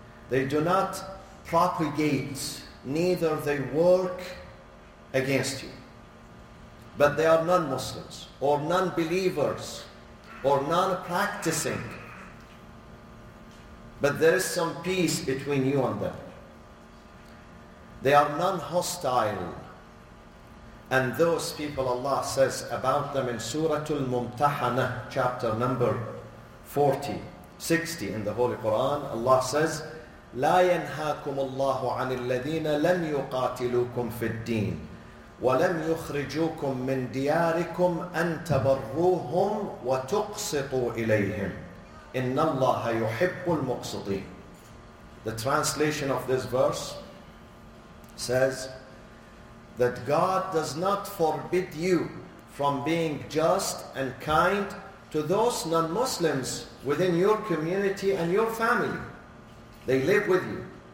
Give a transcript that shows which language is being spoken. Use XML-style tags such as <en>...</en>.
<en>They do not propagate, neither they work against you. But they are non-Muslims, or non-believers, or non-practicing. But there is some peace between you and them. They are non-hostile. And those people, Allah says</en> <ar>about them in Surah Al-Mumtahana, chapter number 40, 60 in the Holy Quran, Allah says, لَا يَنْهَاكُمُ اللَّهُ عَنِ الَّذِينَ لَمْ يُقَاتِلُوكُمْ فِي الدِّينِ وَلَمْ يُخْرِجُوكُمْ مِنْ دِيَارِكُمْ أَنْ تَبَرُّوهُمْ وَتُقْسِطُوا إِلَيْهِمْ إِنَّ اللَّهَ يُحِبُّ الْمُقْسِطِينَ.</ar> <en>The translation of this verse says that God does not forbid you from being just and kind to those non-Muslims within your community and your family. They live with you.</en>